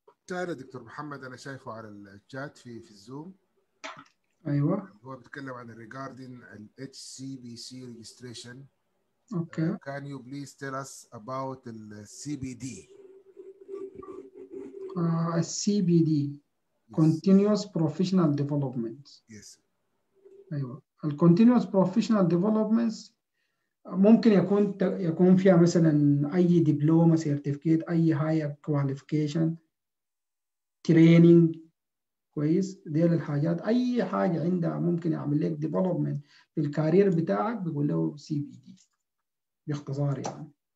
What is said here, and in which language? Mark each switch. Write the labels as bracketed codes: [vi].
[ar] سؤال دكتور محمد انا شايفه على الشات في الزوم. ايوه، هو بيتكلم عن [en] regarding the HCBC registration. Okay, can you please tell us about the CBD? CBD yes. Continuous professional development. Yes. [ar] ايوه، ال [en] continuous professional development [ar] ممكن يكون فيها مثلا اي دبلومه سيرتيفيكيت، اي [en] higher qualification، [ar] تريننج كويس، دي الحاجات. اي حاجه عندها ممكن يعمل لك ديفلوبمنت في الكارير بتاعك بيقول له سي بي دي باختصار يعني.